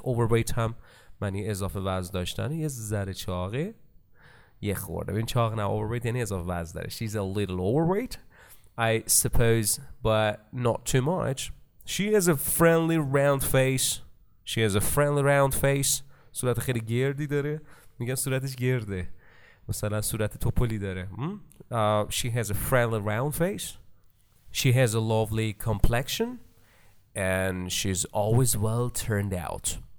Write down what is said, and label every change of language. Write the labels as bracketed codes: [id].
[fa] Overweight هم معنی اضافه وزن داشتن. یه ذره چاقه. یه خورده. ببین چاق نه. Overweight یعنی اضافه وزن داره. [en] She's a little overweight, I suppose, but not too much. She has a friendly round face. She has a friendly round face. [fa] صورت خیلی گردی داره، میگن صورتش گرده، مثلا صورت توپولی داره. [en] She has a friendly round face, she has a lovely complexion, and she's always well turned out.